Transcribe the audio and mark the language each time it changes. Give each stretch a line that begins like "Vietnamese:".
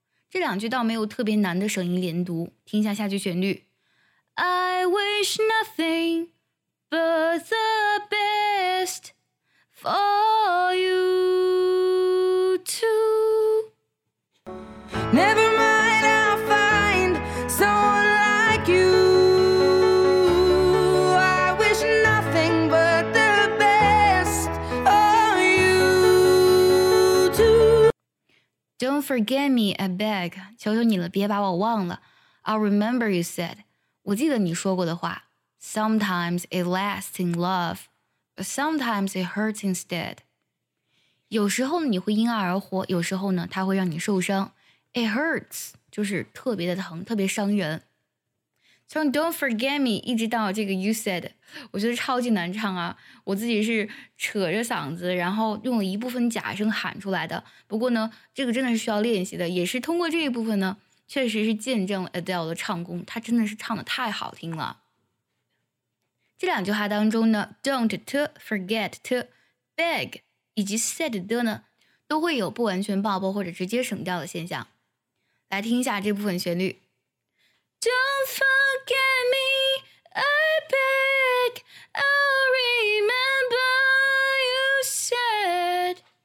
Chinese: 这两句倒没有特别难的声音连读，听一下下句旋律。
English: I wish nothing but the bestFor you too. Never mind, I'll find someone like you. I wish nothing but the best for you too. Don't forget me, I beg.
Chinese: 求求你了，别把我忘了。
English: I'll remember you said.
Chinese: 我记得你说过的话。
English: Sometimes it lasts in love. But sometimes it hurts instead.
Chinese: 有时候你会因爱而活，有时候呢它会让你受伤。
English: It hurts,
Chinese: 就是特别的疼，特别伤人。从
English: Don't forget me
Chinese: 一直到这个
English: You said,
Chinese: 我觉得超级难唱啊。我自己是扯着嗓子，然后用了一部分假声喊出来的。不过呢，这个真的是需要练习的，也是通过这一部分呢，确实是见证了 Adele 的唱功，她真的是唱得太好听了。这两句话当中呢 don't to, forget to, beg, 以及 said the 呢都会有不完全爆破或者直接省掉的现象。来听一下这部分旋律。
English: Don't forget me, I beg, I'll remember you said.